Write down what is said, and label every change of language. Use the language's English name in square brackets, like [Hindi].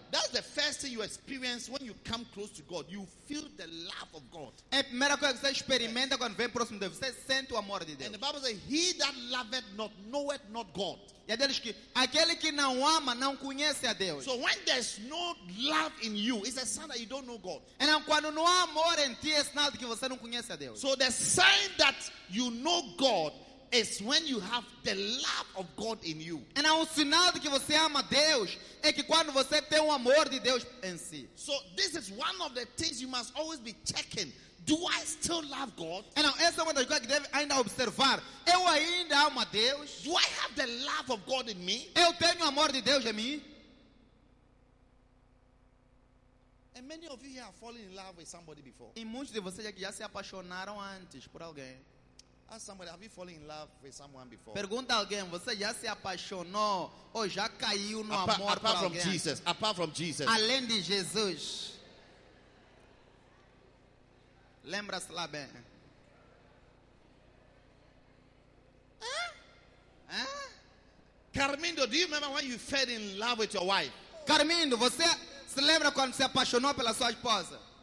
[English] That's the first thing you experience when you come close to God. You feel the love of God. [Portuguese] É a primeira coisa que você experimenta quando vem próximo de Deus. Você sente o amor de Deus. [English] And the Bible says, he that loveth not knoweth not God. [Portuguese] E a Deus diz que aquele que não ama não conhece a Deus. [English] So when there's no love in you, it's a sign that you don't know God. [Portuguese] E não, quando não há amor em ti, é sinal de que você não conhece a Deus. [English] So the sign that you know God is when you have the love of God in you. [Portuguese] And é um sinal de que você ama Deus, é que quando você tem o amor de Deus em si. [English] So this is one of the things you must always be checking. Do I still love God? [Portuguese] And now, essa é uma das coisas que deve ainda observar. Eu ainda amo a Deus? [English] Do I have the love of God in me? [Portuguese] Eu tenho o amor de Deus em mim? [English] And many of you here have fallen in love with somebody before. [Portuguese] E muitos de vocês aqui já se apaixonaram antes por alguém. [English] Ask somebody, have you fallen in love with someone before? [Portuguese] Pergunta alguém, você já se apaixonou ou já caiu no amor [English] apart [Portuguese] por alguém? [English] From Jesus, apart from Jesus. [Portuguese] Além de Jesus. Lembra-se lá bem. [English] Carmindo, do you remember when you fell in love with your wife? [Portuguese] Carmindo, você se lembra quando se apaixonou pela sua esposa?